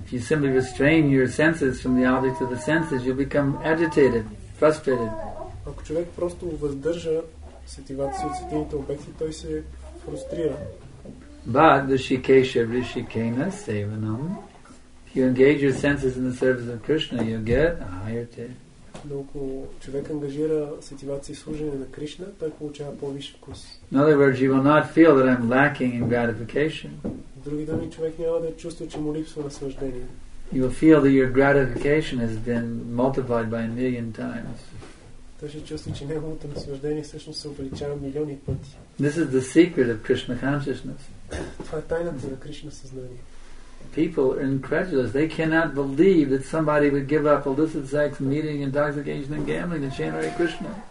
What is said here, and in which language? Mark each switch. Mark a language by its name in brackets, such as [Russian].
[English] If you simply restrain your senses from the object of the senses, you'll become agitated, frustrated. [Bulgarian] Ако човек просто въздържа сетивата си от сетивните обекти, той се фрустрира. [English] But the Shikesha Rishikena Sevanam, if you engage your senses in the service of Krishna, you get a higher taste. [Bulgarian] Но ако човек ангажира сетивата си в служение на Кришна, той получава по-висок вкус. [English] In other words, you will not feel that I'm lacking in gratification. [Bulgarian] Други думи, човек няма да чувства, че му липсва наслаждение. [English] You will feel that your gratification has been multiplied by a million times. [Bulgarian] Той ще чувства, че неговото наслаждение всъщност се увеличава милиони пъти. [English] This is the secret of Krishna consciousness. [Bulgarian] Това е тайната на Кришна съзнание. [English] People are incredulous. They cannot believe that somebody would give up illicit sex, meeting, intoxication, and gambling to chant Hare Krishna.